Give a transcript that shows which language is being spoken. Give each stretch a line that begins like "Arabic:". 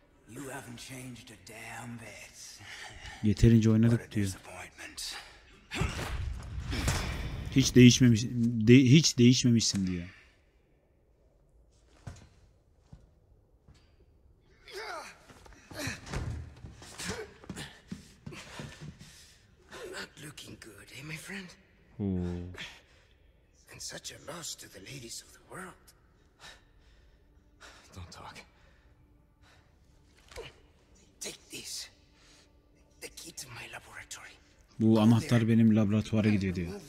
English: You haven't changed a damn bit.
Turkish: Yeterince oynadık diyor. Hiç değişmemiş, hiç değişmemişsin diyor.
English: Not looking good, eh, my friend? And such a loss to the ladies of the world. Don't talk. Take this. The key to my laboratory.
Turkish: Bu anahtar benim laboratuvara gidiyor diyor.